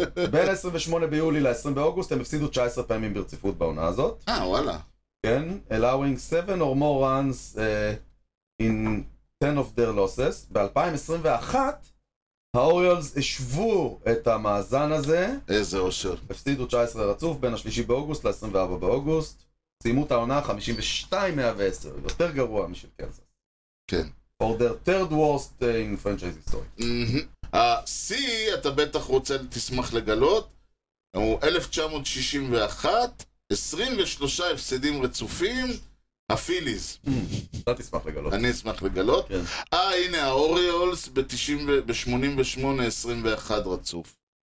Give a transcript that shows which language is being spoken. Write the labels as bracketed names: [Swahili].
[Hebrew] בין 28 ביולי ל-20 באוגוסט הם הפסידו 19 פעמים ברציפות בעונה הזאת. אה, וואלה. כן, [English] allowing 7 or more runs in 10 of their losses. [Hebrew] ב-2021 האוריולס השוו את המאזן הזה. איזה אושר. הפסידו 19 רצוף בין השלישי באוגוסט ל-24 באוגוסט. סיימו את העונה 52-110, יותר גרוע משל קנזס. כן. [English] For their third worst in franchise history. [Hebrew] ה-C, אתה בטח רוצה, תשמח לגלות, הוא 1961, 23 הפסדים רצופים, הפיליז. אתה תשמח לגלות. אני אשמח לגלות. הנה, האוריולס ב-88, 21 רצוף.